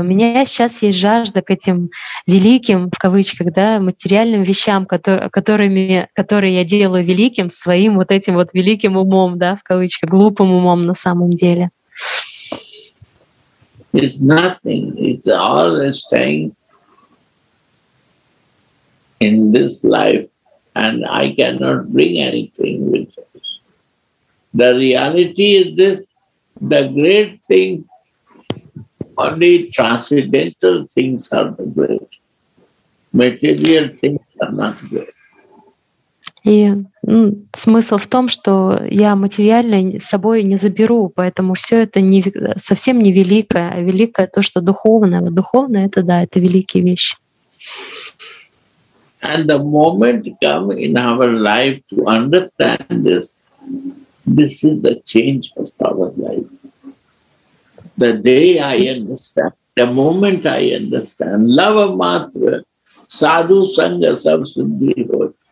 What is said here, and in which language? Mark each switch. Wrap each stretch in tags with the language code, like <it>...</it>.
<ru>У меня сейчас есть жажда к этим великим, в кавычках, да, материальным вещам, которые я делаю великим своим вот этим вот великим умом, да, в кавычках, глупым умом на самом деле.</ru> <en>It's nothing. It's all staying in this life, and I cannot bring anything with us. The reality is this, the great thing. Only transcendental things are the great. Material things are not great.</en> <ru>И смысл в том, что я материально с собой не заберу, поэтому все это не, совсем не великое, а великое то, что духовное. Но духовное — это да, это великие вещи.</ru> <en>And the moment come in our life to understand this, this is the change of our life. The day I understand, the moment I understand,</en> <sa>lava matra, sadhu sangha sabsuddhi ho.</sa>